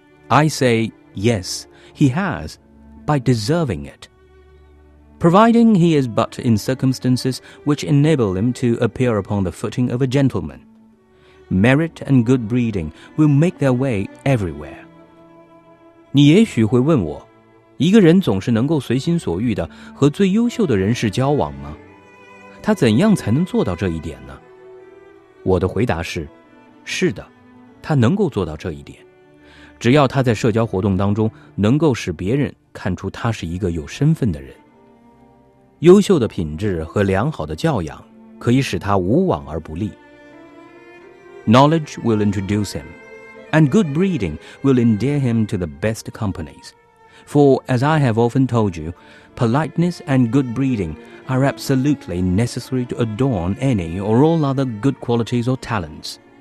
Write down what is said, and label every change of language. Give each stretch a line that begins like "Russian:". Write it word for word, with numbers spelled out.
English: I say, yes, he has, by deserving it. Providing he is but in circumstances which enable him to appear upon the footing of a gentleman. Merit and good breeding will make their way everywhere.
Chinese: 你也许会问我，一个人总是能够随心所欲地和最优秀的人士交往吗？他怎样才能做到这一点呢？我的回答是，是的，他能够做到这一点，只要他在社交活动当中能够使别人看出他是一个有身份的人。优秀的品质和良好的教养可以使他无往而不利。
English: Knowledge will introduce him, and good breeding will endear him to the best companies. For, as I have often told you, politeness and good breeding are absolutely necessary to adorn any or all other good qualities or talents.